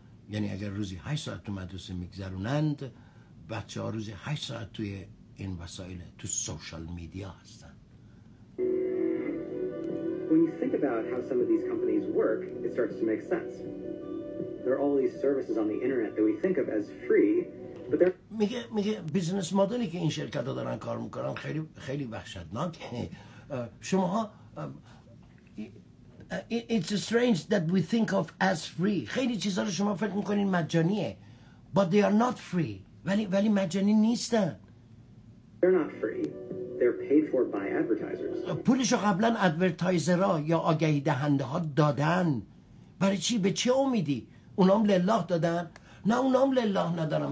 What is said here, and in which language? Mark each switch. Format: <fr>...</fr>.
<fa>یعنی اگر روزی 8 ساعت تو مدرسه میگذرونند، بچه‌ها روزی 8 ساعت توی این وسایل تو سوشال میدیا هستن.</fa> <en>When you think about how some of these companies work, it starts to make sense. There are all these services on the internet that we think of as free, but they're</en> <fa>میگه بیزنس مدلی که این شرکت‌ها دارن کار می‌کنن خیلی خیلی وحشتناکه. شماها</fa> <en>It's strange that we think of as free.</en> <fa>خیلی چیزها رو شما فکر میکنین مجانیه.</fa> <en>But they are not free.</en> <fa>ولی مجانی نیستن.</fa> <en>They're not free. They're paid for by advertisers.</en> <fa>پولشو قبلا ادورتایزرها یا آگهی دهنده ها دادن. برای چی؟ به چه امیدی؟ اونا هم لله دادن؟ نه، اونا هم لله ندارن.</fa>